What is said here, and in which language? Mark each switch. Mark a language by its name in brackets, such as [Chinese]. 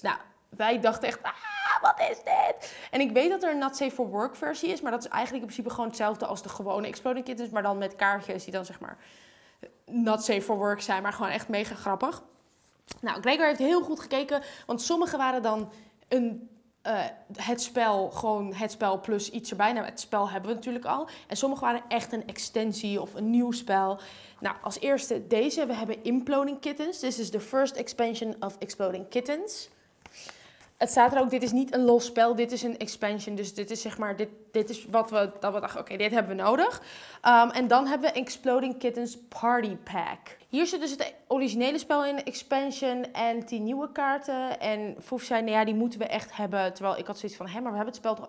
[Dutch] Nou, wij dachten echt, wat is dit? En ik weet dat er een Not Safe for Work versie is, maar dat is eigenlijk in principe gewoon hetzelfde als de gewone Exploding Kittens, maar dan met kaartjes die dan zeg maar Not Safe for Work zijn, maar gewoon echt mega grappig. Nou, Gregor heeft heel goed gekeken, want sommige waren dan het spel, gewoon het spel plus iets erbij. Nou, het spel hebben we natuurlijk al. En sommige waren echt een extensie of een nieuw spel. Nou, als eerste deze. We hebben Imploding Kittens. [English] This is the first expansion of Exploding Kittens. [Dutch] Het staat er ook, dit is niet een los spel. Dit is een expansion. Dus dit is zeg maar, dit is wat we, dat we dachten, oké, dit hebben we nodig. En dan hebben we Exploding Kittens Party Pack. Hier zit dus het originele spel in, expansion en 10 nieuwe kaarten. En Foef zei, nou ja, die moeten we echt hebben. Terwijl ik had zoiets van, hé, maar we hebben het spel toch...